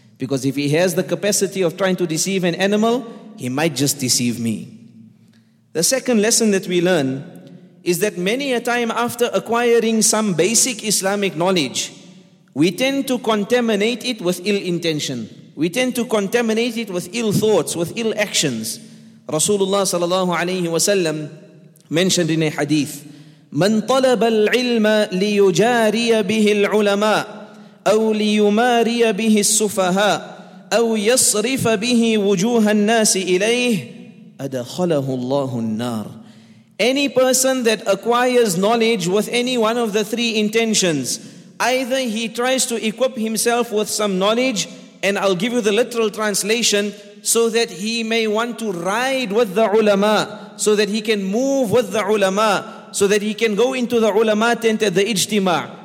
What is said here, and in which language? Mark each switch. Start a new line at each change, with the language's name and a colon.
English: Because if he has the capacity of trying to deceive an animal, he might just deceive me. The second lesson that we learn is that many a time after acquiring some basic Islamic knowledge, We tend to contaminate it with ill intention. We tend to contaminate it with ill thoughts, with ill actions. Rasulullah sallallahu alayhi wa sallam mentioned in a hadith,
Arabic: من طلب العلم ليجاري به العلماء أو ليماري به السفهاء أو يصرف به وجوه الناس إليه أدخله الله النار.
English: Any person that acquires knowledge with any one of the three intentions, either he tries to equip himself with some knowledge, and I'll give you the literal translation, so that he may want to ride with the ulama, so that he can move with the ulama, so that he can go into the ulama tent at the ijtima'.